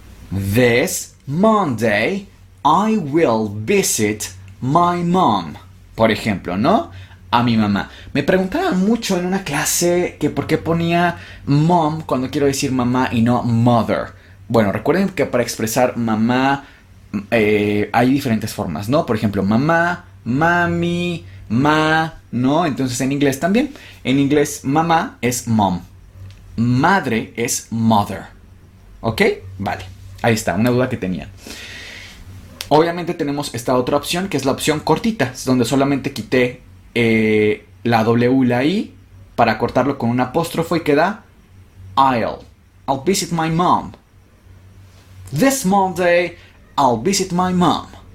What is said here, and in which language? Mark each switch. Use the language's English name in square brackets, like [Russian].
[English] This Monday I will visit my mom. [Spanish] Por ejemplo, ¿no? A mi mamá. Me preguntaban mucho en una clase que por qué ponía mom cuando quiero decir mamá y no mother. Bueno, recuerden que para expresar mamá hay diferentes formas, ¿no? Por ejemplo, mamá, mami, ma, ¿no? Entonces en inglés también. En inglés mamá es mom. Madre es mother. ¿Ok? Vale. Ahí está, una duda que tenía. Obviamente tenemos esta otra opción, que es la opción cortita, donde solamente quité la W y la I para cortarlo con un apóstrofo y queda [English] I'll visit my mom. This Monday, I'll visit my mom.